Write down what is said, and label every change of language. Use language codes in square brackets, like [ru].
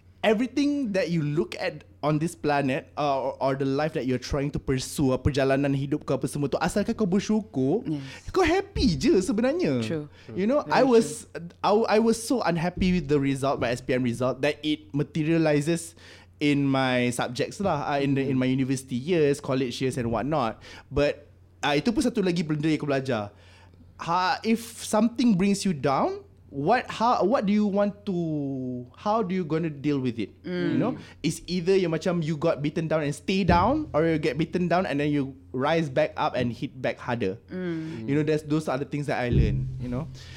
[en] Everything that you look at on this planet or the life that you're trying to pursue, [ms] perjalanan hidup kau apa semua tu, asalkan kau bersyukur, kau happy je sebenarnya. [en] True. You know, I was so unhappy with the result, my SPM result, that it materializes in my subjects [ms] lah, [en] in my university years, college years and whatnot. But [ms] itu pun satu lagi benda yang aku belajar. [en] If something brings you down, how do you going to deal with it? You know, it's either you [ms] macam [en] you got beaten down and stay down, or you get beaten down and then you rise back up and hit back harder. You know, those are the things that I learned, you know.